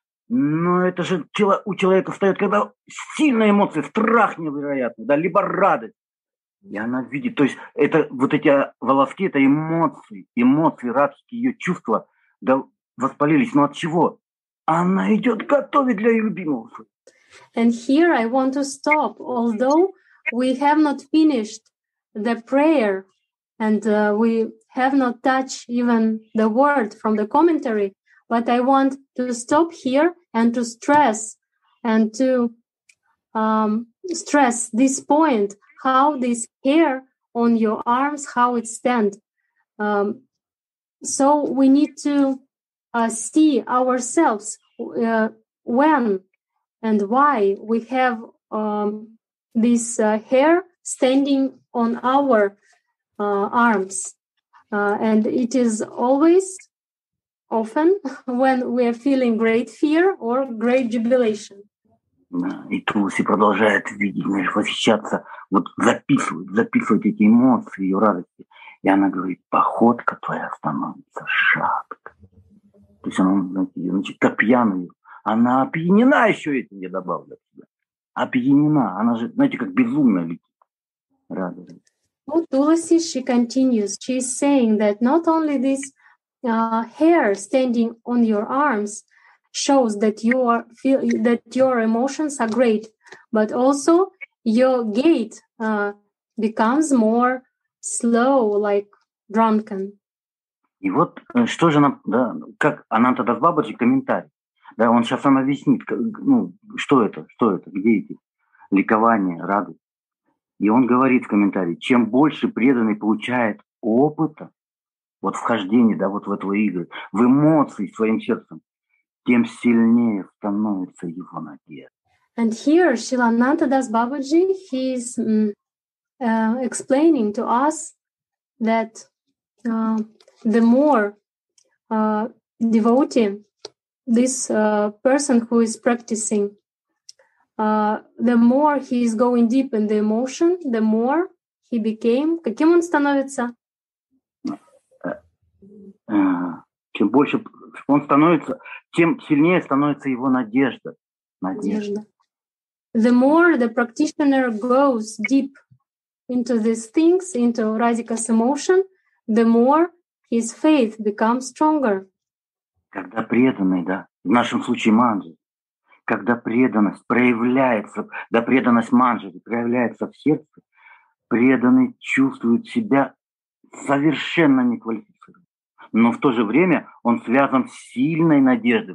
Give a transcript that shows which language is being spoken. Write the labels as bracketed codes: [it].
[ru] Но это же у человека встает, когда сильная эмоция, страх невероятный, да, либо радость. И она видит, то есть это вот эти волоски, это эмоции, радости, ее чувства, да, воспалились. Но от чего? Она идет готовить для ее любимого. [en] And here I want to stop. Although we have not finished the prayer and we have not touched even the word from the commentary, but I want to stop here and to stress and to stress this point. How this hair on your arms, how it stand. So we need to see ourselves when and why we have this hair standing on our arms. And it is always, often, when we are feeling great fear or great jubilation. [ru] И Туси продолжает видеть, знаешь, восхищаться, вот записывает эти эмоции, ее радости. И она говорит, походка твоя становится шаткой. То есть она, значит, как пьяная. Она опьянена еще этим, я добавлю от себя. Опьянена. Она же, знаете, как безумно летит. Радость. [en] Туласи, she continues. She is saying that not only this hair standing on your arms shows that you are feel that your emotions are great, but also your gait becomes more slow, like drunken. [ru] И вот что же нам, да, как Ананта Дас Бабаджи комментарий, да, он сейчас нам объяснит, ну, что это, где эти ликование, радость. И он говорит в комментарии, чем больше преданный получает опыта, вот вхождение, да, вот в эту игру, в эмоции своим сердцем, тем сильнее становится его надежда. [en] And here Srila Ananta Das Babaji, he is explaining to us that the more devotee, this person who is practicing, the more he is going deep in the emotion, the more he became, [ru] каким он становится? Чем больше он становится, тем сильнее становится его надежда. Надежда. [en] The more the practitioner goes deep into these things, into Radhika's emotion, the more his faith becomes stronger. [ru] Когда преданный, да, в нашем случае манджа, когда преданность проявляется, да, преданность манджа проявляется в сердце, преданный чувствует себя совершенно неквалифицированным. Но в то же время он связан с сильной надеждой.